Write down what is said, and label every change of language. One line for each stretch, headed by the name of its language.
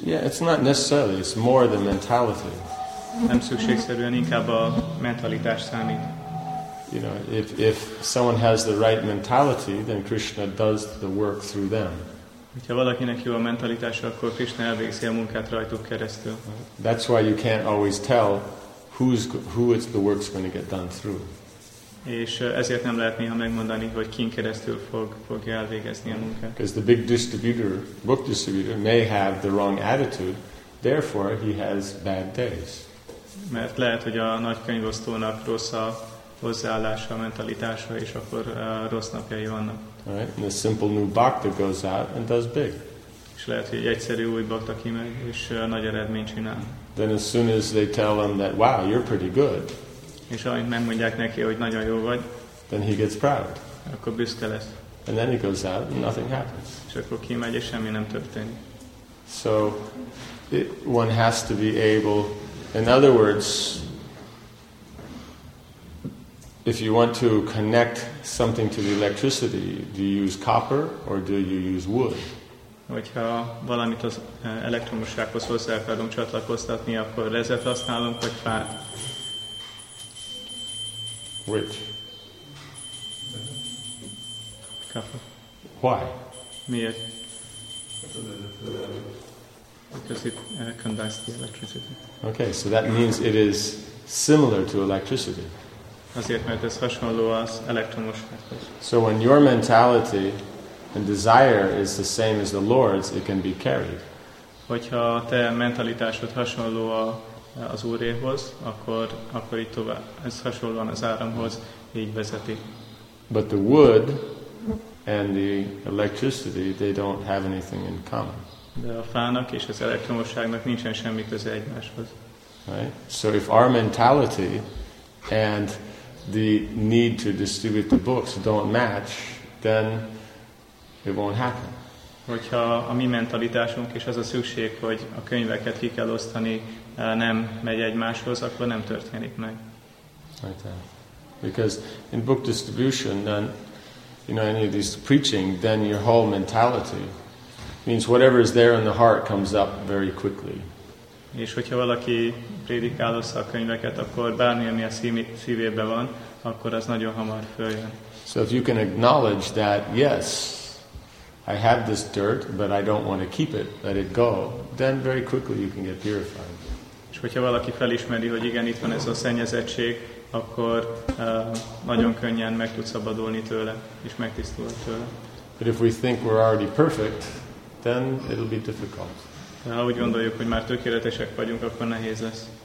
English: Yeah, it's not necessarily, it's more the mentality.
Hungarian: Nem szükségszerűen, inkább a mentalitás számít.
English: You know, if someone has the right mentality, then Krishna does the work through them.
Hungarian: Ha valakinek jó a mentalitása, akkor Krishna elvégzi a munkát rajtuk keresztül.
English: That's why you can't always tell who it's the work's going to get done through.
Hungarian: És ezért nem lehet néha megmondani, hogy kin keresztül fogja elvégezni a munkát.
English: Because the big distributor, book distributor, may have the wrong attitude, therefore he has bad days.
Hungarian: Mert lehet, hogy a nagy könyvosztónak rossz a hozzáállása, mentalitása, és akkor rossz napjai vannak.
English: Right. And a simple new bhakta goes out and does big.
Hungarian: És lehet, hogy egy egyszerű új bhakta kimegy, és nagy eredményt csinál.
English: Then as soon as they tell him that, wow, you're pretty good.
Hungarian: És amint megmondják neki, hogy nagyon jó vagy.
English: Then he gets proud.
Hungarian: Akkor büszke lesz.
English: And then he goes out and nothing happens.
Hungarian: És akkor kimegy, és semmi nem történik.
English: So, one has to be able, in other words, if you want to connect something to the electricity, do you use copper or do you use wood?
Hungarian: Hogyha valamit az elektromossághoz hozzá akarunk csatlakoztatni, akkor rezet használunk, vagy fát?
English: Which? Copper. Why?
Hungarian: Miért?
English: Because it conducts the electricity. Okay, so that means it is similar to electricity.
Hungarian: Azért, mert ez hasonló az elektromossághoz.
English: So when your mentality and desire is the same as the Lord's, it can be carried.
Hungarian: Hogyha te mentalitásod hasonló az Úréhoz, akkor itt tovább. Ez hasonlóan az áramhoz, így vezeti.
English: But the wood and the electricity, they don't have anything in common.
Hungarian: De a fának és az elektromosságnak nincsen semmi köze egymáshoz.
English: Right? So if our mentality and the need to distribute the books don't match, then it won't happen.
Hungarian: Hogyha a mi mentalitásunk és az a szükség, hogy a könyveket ki kell osztani, nem megy egymáshoz, akkor nem történik meg.
English: Right. Because in book distribution, then, you know, any of these preaching, then your whole mentality means whatever is there in the heart comes up very quickly.
Hungarian: És hogyha valaki prédikál a könyveket, akkor bármi, ami a szívében van, akkor az nagyon hamar följön.
English: So if you can acknowledge that, yes, I have this dirt, but I don't want to keep it, let it go, then very quickly you can get purified.
Hungarian: És hogyha valaki felismeri, hogy igen, itt van ez a szennyezettség, akkor nagyon könnyen meg tud szabadulni tőle, és megtisztul tőle.
English: But if we think we're already perfect, then it'll be difficult.
Hungarian: Ha úgy gondoljuk, hogy már tökéletesek vagyunk, akkor nehéz lesz.